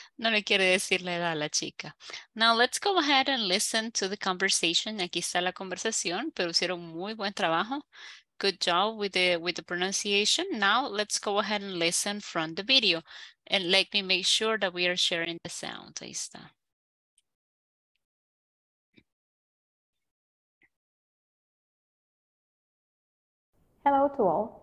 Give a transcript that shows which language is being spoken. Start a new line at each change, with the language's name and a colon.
Spanish: No le quiere decir la edad a la chica.
English: Now let's go ahead and listen to the conversation.
Spanish: Aquí está la conversación, pero hicieron muy buen trabajo.
English: Good job with the pronunciation. Now let's go ahead and listen from the video. And let me make sure that we are sharing the sound.
Spanish: Ahí está.
English: Hello to all.